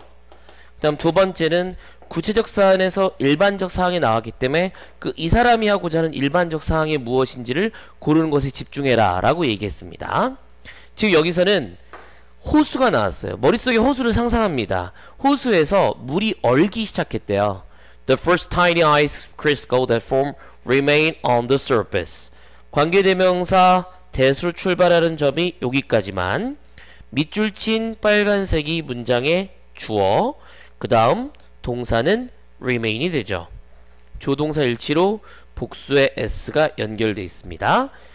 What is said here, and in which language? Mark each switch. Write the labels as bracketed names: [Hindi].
[Korean] 그 다음 두 번째는 구체적 사안에서 일반적 사항이 나왔기 때문에 그 이 사람이 하고자 하는 일반적 사항이 무엇인지를 고르는 것에 집중해라 라고 얘기했습니다. 지금 여기서는 호수가 나왔어요. 머릿속에 호수를 상상합니다. 호수에서 물이 얼기 시작했대요. [English] The first tiny ice crystal that form remain on the surface. [Korean] 관계대명사 대수로 출발하는 점이 여기까지만 밑줄 친 빨간색이 문장의 주어 그 다음 동사는 remain이 되죠. 조동사 일치로 복수의 s가 연결되어 있습니다.